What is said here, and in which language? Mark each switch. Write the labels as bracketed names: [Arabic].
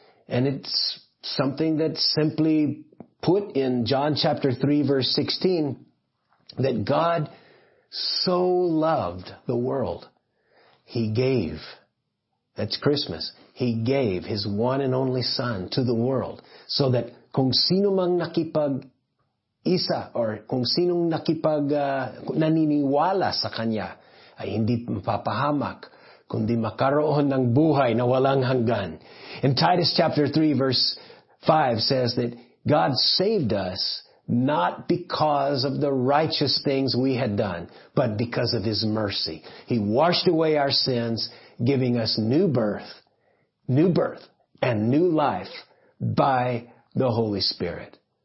[English] And it's something that's simply put in John chapter 3, verse 16, that God so loved the world, he gave. That's Christmas. He gave his one and only son to the world so that [Filipino] kung sino mang nakipag isa or kung sinong naniniwala sa kanya ay hindi mapapahamak, kundi makaroon ng buhay na walang hanggan. [English] In Titus chapter 3 verse 5 says that God saved us not because of the righteous things we had done, but because of His mercy. He washed away our sins, giving us new birth and new life by the Holy Spirit.